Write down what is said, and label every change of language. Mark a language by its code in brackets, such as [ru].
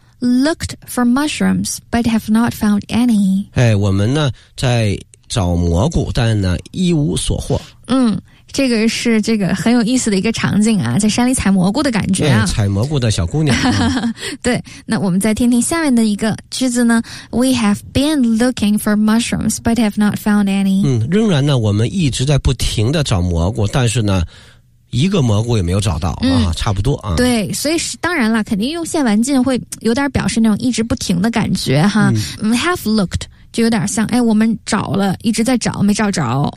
[en] Looked for mushrooms, but have not found any. [zh] 我们呢，在找蘑菇，但呢一无所获。嗯，这个是这个很有意思的一个场景啊，在山里采蘑菇的感觉啊。对，采蘑菇的小姑娘。对，那我们再听听下面的一个句子呢。 [en] We have been looking for mushrooms, but have not found any. [zh] 嗯，仍然呢，我们一直在不停的找蘑菇，但是呢，一个蘑菇也没有找到、嗯、啊，差不多啊。对，所以是当然了，肯定用现完进会有点表示那种一直不停的感觉哈。嗯、have looked 就有点像，哎，我们找了，一直在找，没找着。